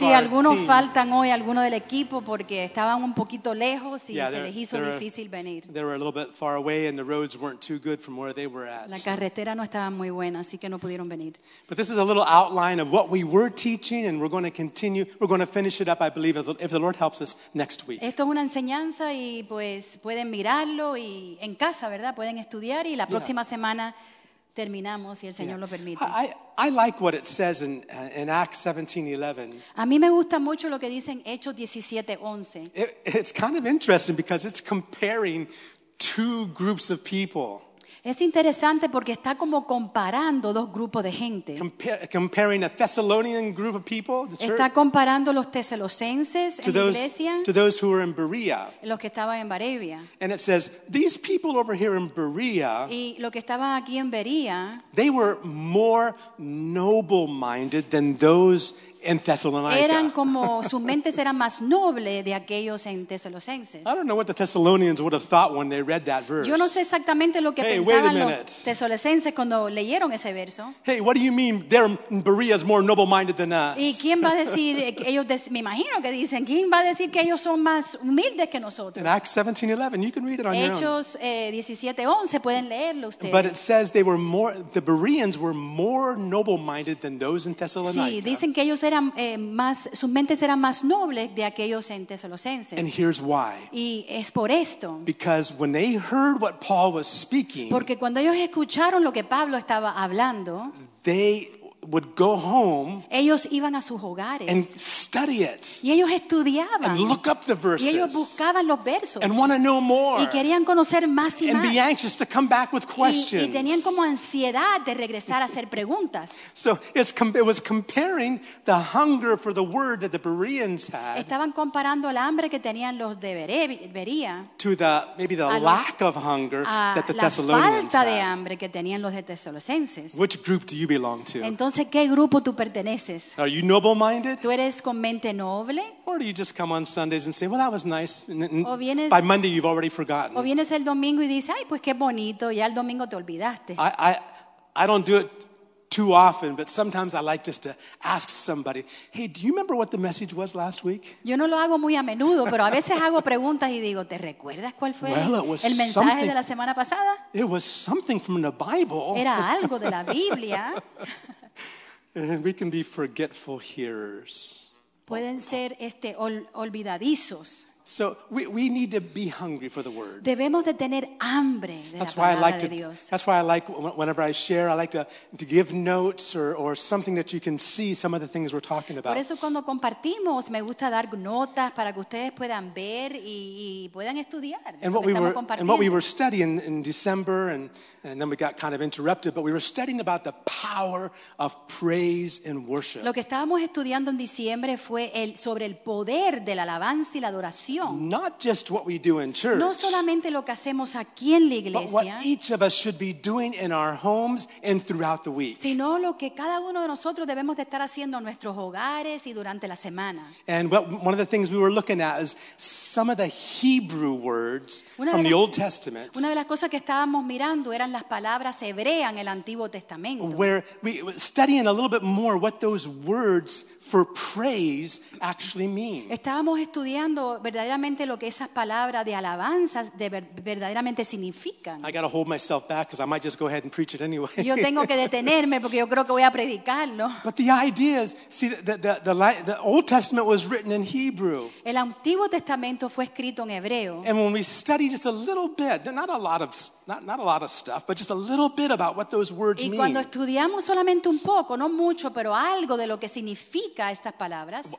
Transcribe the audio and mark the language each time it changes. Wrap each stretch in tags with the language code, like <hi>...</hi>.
<es>sí, algunos faltan hoy, algunos del equipo, porque estaban un poquito lejos y se les hizo difícil venir.</es> <en>They were a little bit far away and the roads weren't too good from where they were at.</en> <es>La carretera no estaba muy buena, así que no pudieron venir.</es> <en>But this is a little outline of what we were teaching and we're going to continue, we're going to finish it up, I believe, if the Lord helps us next week.</en> <es>Esto es una enseñanza y pues pueden mirarlo y en casa, ¿verdad? Pueden estudiar y la próxima semana terminamos si el Señor lo permite.</es> <en>I like what it says in Acts 17:11.</en> <es>A mí me gusta mucho lo que dicen Hechos 17:11.</es> <en>It's kind of interesting because it's comparing two groups of people.</en> <es>Es interesante porque está como comparando dos grupos de gente.</es> <en>Comparing a Thessalonian group of people, the church.</en> <es>Está comparando los tesalonicenses en la iglesia.</es> <en>To those who were in Berea.</en> <es>Los que estaban en Berea.</es> <en>And it says, these people over here in Berea.</en> <es>Y lo que estaban aquí en Berea.</es> <en>They were more noble-minded than those in Thessalonica.</en> <es>Eran como sus mentes eran más nobles de aquellos en tesalonicenses.</es> <en>I don't know what the Thessalonians would have thought when they read that verse.</en> <es>Yo no sé exactamente lo que pensaban los tesalonicenses cuando leyeron ese verso.</es> <en>Hey, what do you mean their Berea is more noble-minded than us?</en> <es>¿Y quién va a decir ellos me imagino que dicen quién va a decir que ellos son más humildes que nosotros?</es> <en>In Acts 17:11, you can read it on</en> <es>Hechos,</es> <en>your own.</en> <es>Hechos 17:11 pueden leerlo ustedes.</es> <en>But it says they were more the Bereans were more noble-minded than those in Thessalonica.</en> <es>Sí, dicen que ellos eran más sus mentes eran más nobles de aquellos en tesalonicenses.</es> <en>And here's why.</en> <es>Y es por esto.</es> <en>Because when they heard what Paul was speaking,</en> <es>porque cuando ellos escucharon lo que Pablo estaba hablando,</es> <en>they would go home.</en> <es>Ellos iban a sus hogares.</es> <en>And study it.</en> <es>Y ellos estudiaban.</es> <en>And look up the verses.</en> <es>Y ellos buscaban los versos.</es> <en>And want to know more.</en> <es>Y querían conocer más y más.</es> <en>And be anxious to come back with questions.</en> <es>Y tenían como ansiedad de regresar a hacer preguntas.</es> <en>So it was comparing the hunger for the word that the Bereans had.</en> <es>Estaban comparando el hambre que tenían los de Berea.</es> <en>To the maybe the lack of hunger that the Thessalonians had.</en> <es>La falta de hambre que tenían los de tesalonicenses.</es> <en>Which group do you belong to?</en> <es>Entonces, sé qué grupo tú perteneces.</es> <en>Are you noble-minded?</en> <es>¿Tú eres con mente noble?</es> <en>Or do you just come on Sundays and say, "Well, that was nice."</en> <es>Vienes,</es> <en>by Monday, you've already forgotten.</en> <es>O vienes el domingo y dices, "Ay, pues qué bonito." Ya el domingo te olvidaste.</es> <en>I don't do it too often, but sometimes I like just to ask somebody, "Hey, do you remember what the message was last week?"</en> <es>Yo no lo hago muy a menudo, pero a veces hago preguntas y digo, "¿Te recuerdas cuál fue el mensaje de la semana pasada?"</es> <en>It was something from the Bible.</en> <es>Era algo de la Biblia.</es> <en>And we can be forgetful hearers.</en> <es>Pueden ser olvidadizos.</es> <en>So we need to be hungry for the word.</en> <es>Debemos de tener hambre de</es> <en>that's</en> <es>la palabra</es> <en>why I like</en> <es>de</es> <en>to,</en> <es>Dios.</es> <en>That's why I like whenever I share, I like to give notes or something that you can see some of the things we're talking about.</en> <es>Por eso cuando compartimos me gusta dar notas para que ustedes puedan ver y puedan estudiar.</es> <en>And what we were studying in December and then we got kind of interrupted, but we were studying about the power of praise and worship.</en> <es>Lo que estábamos estudiando en diciembre fue sobre el poder de la alabanza y la adoración.</es> <en>Not just what we do in church.</en> <es>No solamente lo que hacemos aquí en la iglesia.</es> <en>But what each of us should be doing in our homes and throughout the week.</en> <es>Sino lo que cada uno de nosotros debemos de estar haciendo en nuestros hogares y durante la semana.</es> <en>And what, one of the things we were looking at is some of the Hebrew words from the Old Testament.</en> <es>Una de las cosas que estábamos mirando eran las palabras hebreas en el Antiguo Testamento.</es> <en>Where we studying a little bit more what those words for praise actually mean.</en> <es>Estábamos estudiando verdaderamente lo que esas palabras de alabanza verdaderamente significan.</es> <en>I gotta hold myself back because I might just go ahead and preach it anyway.</en> <es>Yo tengo que detenerme porque yo creo que voy a predicarlo.</es> <en>But the idea is, see, the Old Testament was written in Hebrew.</en> <es>El Antiguo Testamento fue escrito en hebreo.</es> <en>And when we study just a little bit, not a lot of stuff, but just a little bit about what those words mean.</en> <es>Y cuando estudiamos solamente un poco, no mucho, pero algo de lo que significa estas palabras.</es>